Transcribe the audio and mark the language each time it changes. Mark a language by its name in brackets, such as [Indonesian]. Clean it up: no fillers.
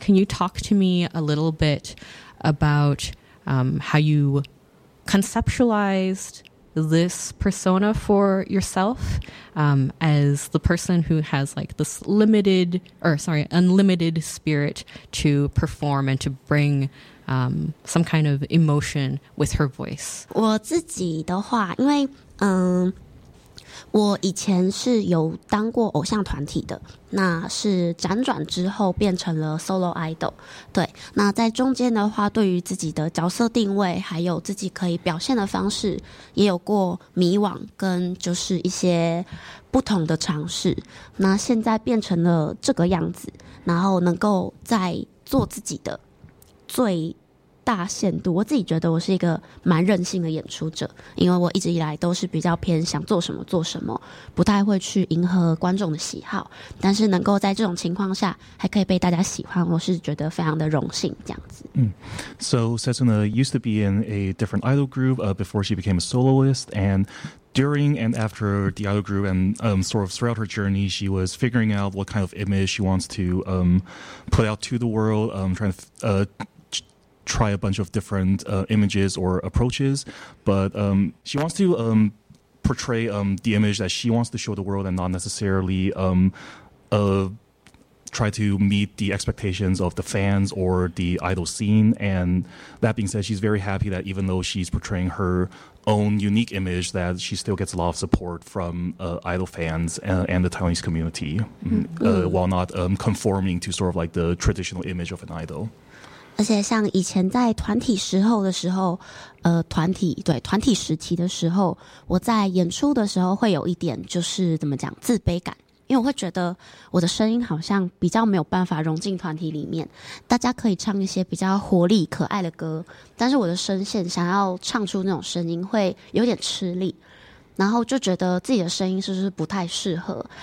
[English] Can you talk to me a little bit about how you conceptualized this persona for yourself as the person who has like this unlimited spirit to perform and to bring some kind of emotion with her voice? [Chinese] 我自己的话，因为我以前是有当过偶像团体的，那是辗转之后变成了 solo idol。对，那在中间的话，对于自己的角色定位还有自己可以表现的方式也有过迷惘跟就是一些不同的尝试，那现在变成了这个样子，然后能够在做自己的最大限度。我自己觉得我是一个蛮任性的演出者，因为我一直以来都是比较偏想做什么做什么，不太会去迎合观众的喜好，但是能够在这种情况下还可以被大家喜欢，我是觉得非常的荣幸这样子。 [English] So Setsuna used to be in a different idol group before she became a soloist, and during and after the idol group and sort of throughout her journey, she was figuring out what kind of image she wants to put out to the world, trying to try a bunch of different images or approaches, but she wants to portray the image that she wants to show the world and not necessarily try to meet the expectations of the fans or the idol scene. And that being said, she's very happy that even though she's portraying her own unique image, that she still gets a lot of support from idol fans and the Taiwanese community, while not conforming to sort of like the traditional image of an idol. [Chinese] 而且像以前在团体时候的时候，团体对团体时期的时候，我在演出的时候会有一点就是怎么讲自卑感，因为我会觉得我的声音好像比较没有办法融进团体里面。大家可以唱一些比较活力可爱的歌，但是我的声线想要唱出那种声音会有点吃力，然后就觉得自己的声音是不是不太适合。